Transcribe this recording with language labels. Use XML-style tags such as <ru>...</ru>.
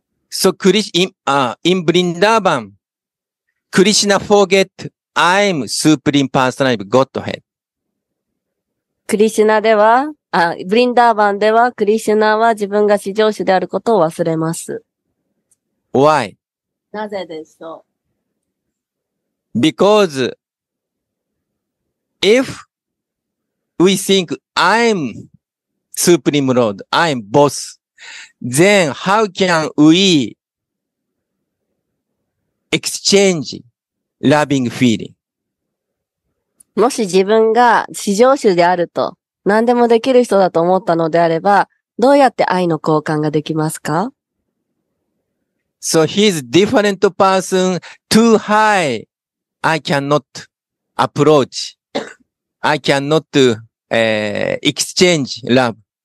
<en>So, in Vrindavan, クリシュナ forget. I'm Supreme Personality Godhead.</en> <ja>クリシュナでは、ブリンダーバンでは、クリシュナは自分が至上主であることを忘れます。</ja> <en>Why?</en> <ja>なぜでしょう</ja> <en>?Because, if we think I'm Supreme Lord, I'm Boss, then how can we exchange loving feeling?</en> <ja>もし自分が至上主であると何でもできる人だと思ったのであれば、どうやって愛の交換ができますか</ja> <en>?So he's different person, too high, I cannot approach, I cannot, exchange love.</en>